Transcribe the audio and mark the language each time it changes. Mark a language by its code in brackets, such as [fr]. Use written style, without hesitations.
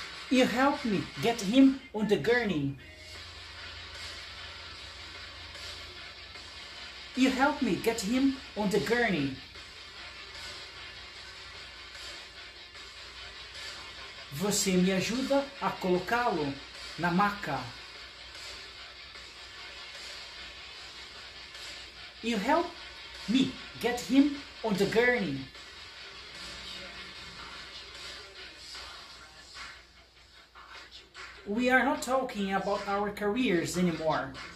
[en] You help me get him on the gurney. You help me get him on the gurney. [pt] Você me ajuda a colocá-lo na maca. [en] You help me get him on the gurney. We are not talking about our careers anymore.